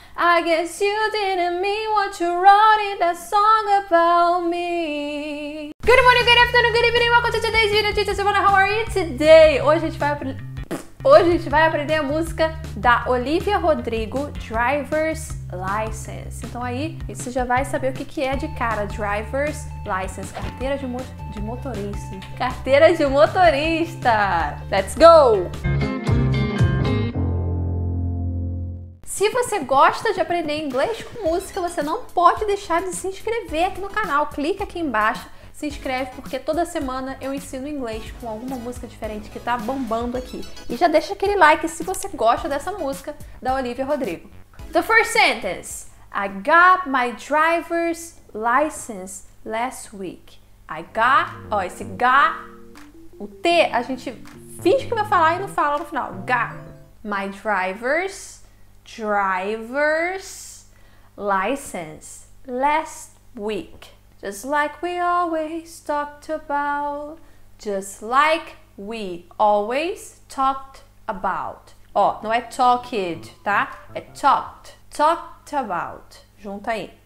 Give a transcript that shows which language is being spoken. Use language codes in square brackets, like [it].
[en] I guess you didn't mean what you wrote in that song about me. Good morning, good afternoon, good evening, welcome to today's video, [pt] gente, semana. [en] How are you today? [pt] Hoje a gente vai aprender a música da Olivia Rodrigo, Driver's License. Então aí, você já vai saber o que, que é de cara, Driver's License, carteira de motorista. Carteira de motorista! [en] Let's go! [pt] Se você gosta de aprender inglês com música, você não pode deixar de se inscrever aqui no canal. Clica aqui embaixo, se inscreve, porque toda semana eu ensino inglês com alguma música diferente que tá bombando aqui. E já deixa aquele like se você gosta dessa música da Olivia Rodrigo. [en] The first sentence. I got my driver's license last week. I got... [pt] Ó, esse got... O T, a gente finge que vai falar e não fala no final. [en] Got my driver's... Driver's license last week. Just like we always talked about. Just like we always talked about. [pt] Ó, não é talked, tá? É talked. Talked about. Junta aí.